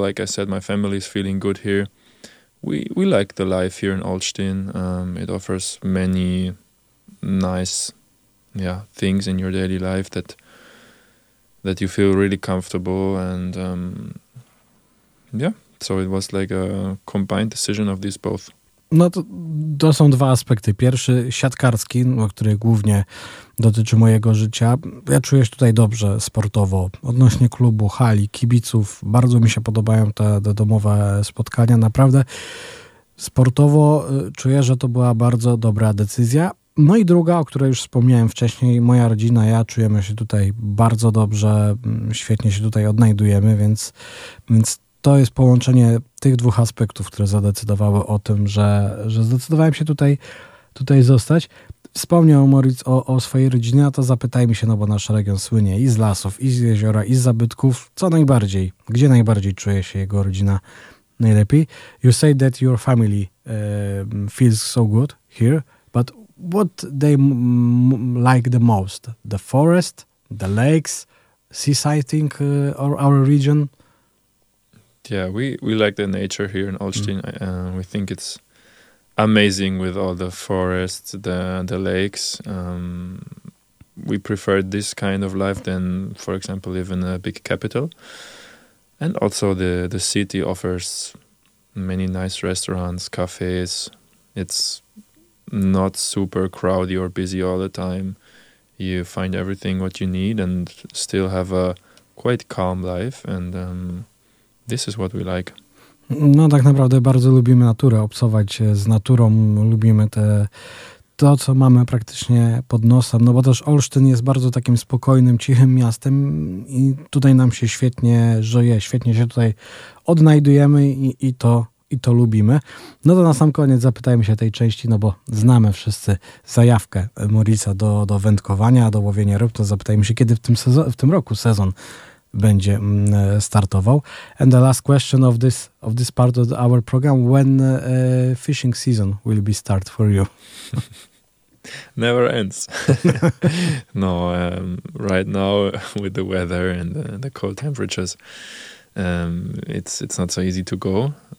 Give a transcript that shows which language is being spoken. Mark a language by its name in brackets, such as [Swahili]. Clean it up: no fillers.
[English] Like I said, my family is feeling good here. We like the life here in Olsztyn. It offers many nice things in your daily life that you feel really comfortable. And so it was like a combined decision of these both. [Polish] No to są dwa aspekty. Pierwszy, siatkarski, no, który głównie dotyczy mojego życia. Ja czuję się tutaj dobrze sportowo odnośnie klubu, hali, kibiców. Bardzo mi się podobają te domowe spotkania. Naprawdę sportowo czuję, że to była bardzo dobra decyzja. No i druga, o której już wspomniałem wcześniej, moja rodzina, ja czujemy się tutaj bardzo dobrze, świetnie się tutaj odnajdujemy, więc to jest połączenie tych dwóch aspektów, które zadecydowały o tym, że zdecydowałem się tutaj zostać. Wspomniał Moritz o swojej rodzinie, a to zapytajmy się, no bo nasz region słynie i z lasów, i z jeziora, i z zabytków. Co najbardziej? Gdzie najbardziej czuje się jego rodzina najlepiej? [English] You say that your family feels so good here, but what they like the most? The forest, the lakes, seaside, or our region? Yeah, we like the nature here in Olsztyn. We think it's amazing with all the forests, the lakes. We prefer this kind of life than, for example, live in a big capital. And also the city offers many nice restaurants, cafes. It's not super crowded or busy all the time. You find everything what you need and still have a quite calm life. And this is what we like. [Polish] No tak naprawdę bardzo lubimy naturę, obcować z naturą, lubimy to, co mamy praktycznie pod nosem, no bo też Olsztyn jest bardzo takim spokojnym, cichym miastem i tutaj nam się świetnie żyje, świetnie się tutaj odnajdujemy i to lubimy. No to na sam koniec zapytajmy się tej części, no bo znamy wszyscy zajawkę Morica do wędkowania, do łowienia ryb, to zapytajmy się, kiedy w tym roku sezon będzie startował. [English] And the last question of this part of our program, when fishing season will be start for you? Never ends. No, right now with the weather and the cold temperatures, it's not so easy to go.